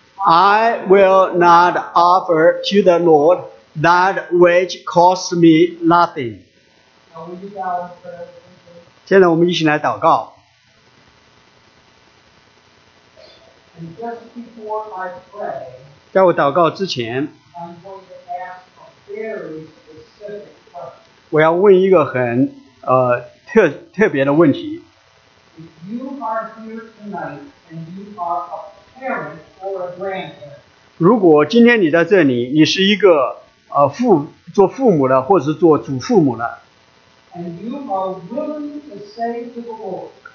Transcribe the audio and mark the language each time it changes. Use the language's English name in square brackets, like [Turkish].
[English] I will not offer to the Lord that which costs me nothing. Now we need to pray. Now And just before I pray, [Chinese] 在我祷告之前, [English] I'm going to ask a very specific question. [Chinese] 我要问一个很特别的问题。 [English] If you are here tonight and you are a parent or a grandparent, [Chinese] 如果今天你在这里，你是一个做父母的或者是做祖父母的。 [English] And you are willing to say to the Lord,